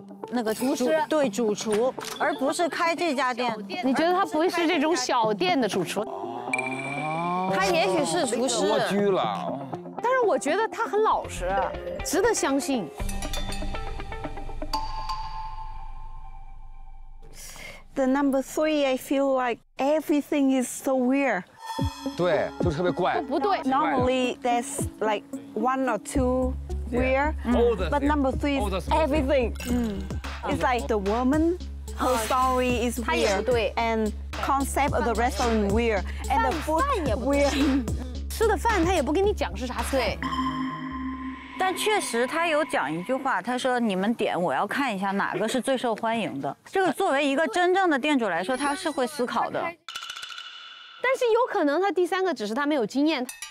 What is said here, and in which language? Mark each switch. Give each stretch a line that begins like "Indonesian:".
Chinese: 那个厨师，对，主厨，而不是开这家店。你觉得他不会是这种小店的主厨？他也许是厨师。我居了。但是我觉得他很老实，值得相信。
English: The number three, I feel like everything is so weird.
Chinese: 对，就特别怪。不对。
English: Normally there's like one or two. Where? But number three is everything. It's like the woman, her story is weird. And concept of the restaurant weird. And the food weird.
Chinese: 吃的饭他也不跟你讲是啥菜。但确实他有讲一句话，他说你们点我要看一下哪个是最受欢迎的。这个作为一个真正的店主来说，他是会思考的。但是有可能他第三个只是他没有经验。